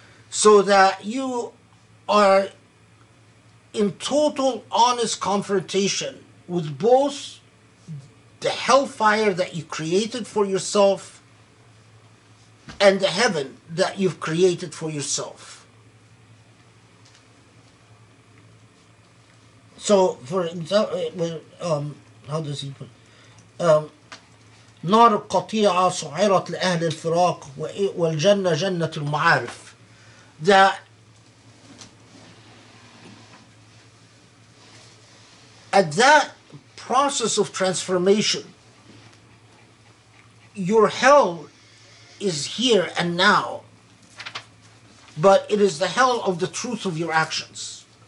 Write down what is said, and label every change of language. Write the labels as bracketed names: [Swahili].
[English] So that you are in total honest confrontation with both the hellfire that you created for yourself and the heaven that you've created for yourself. So, for example, how does he put it? [Arabic] نار قطيعة سعرت لأهل الفراق والجنة جنة المعارف [English] that at that process of transformation, your hell is here and now, but it is the hell of the truth of your actions.